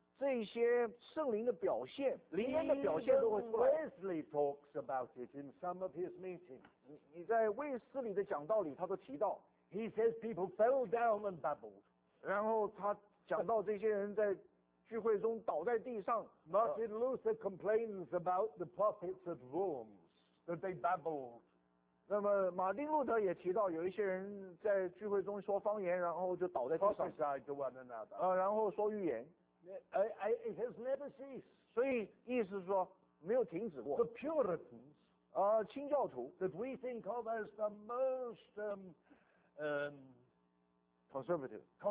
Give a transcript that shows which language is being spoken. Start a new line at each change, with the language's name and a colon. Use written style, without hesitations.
Chinese: 这些圣灵的表现灵恩的表现都会出来
English: Wesley talks about it in some of his meetings
Chinese: 你在卫斯理的讲道里他都提到
English: He says people fell down and babbled.
Chinese: 然后他讲到这些人在聚会中倒在地上。
English: Martin Luther complains about the prophets at Worms that they babbled.
Chinese: 那么马丁路德也提到有一些人在聚会中说方言，然后就倒在地上。
English: Prophesied to one another.
Chinese: 然后说预言。
English: It has never ceased.
Chinese: 所以意思是说没有停止过。
English: The Puritans,
Chinese: 清教徒
English: that we think of as the most conservative.